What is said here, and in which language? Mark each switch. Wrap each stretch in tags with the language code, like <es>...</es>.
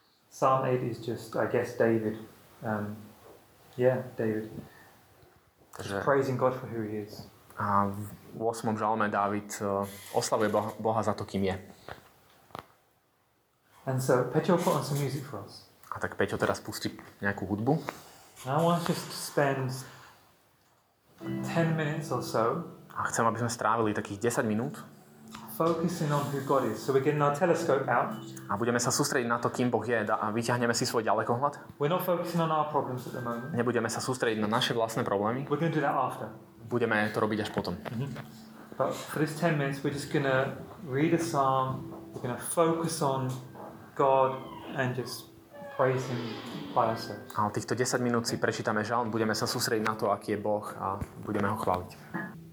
<en>Psalm 8 is just, I guess, David. David. Takže, just praising God for who he is.</en> <sk>A v 8. žalme Dávid oslavuje Boha za to, kým je.</sk> <en>And so Peťo put on some music for us.</en> <sk>A tak Peťo teraz pustí nejakú hudbu.</sk> <en>I want to just spend 10 minutes or so.</en> <sk>A chcem, aby sme strávili takých 10 minút.</sk> <en>Focusing on who God is. So we're getting our telescope out.</en> <sk>A budeme sa sústrediť na to, kým Boh je, a vyťahneme si svoj ďalekohľad.</sk> <en>We're not focusing on our problems at the moment.</en> <sk>Nebudeme sa sústrediť na naše vlastné problémy.</sk> <en>We're going to do that after.</en> <sk>Budeme to robiť až potom. Mm-hmm.</sk> <en>But for this 10 minutes, we're just going to read a psalm. We're going to focus on God and just praise him by ourselves.</en> <sk>A týchto 10 minút si prečítame žalm, budeme sa sústrediť na to, aký je Boh, a budeme ho chváliť.</sk>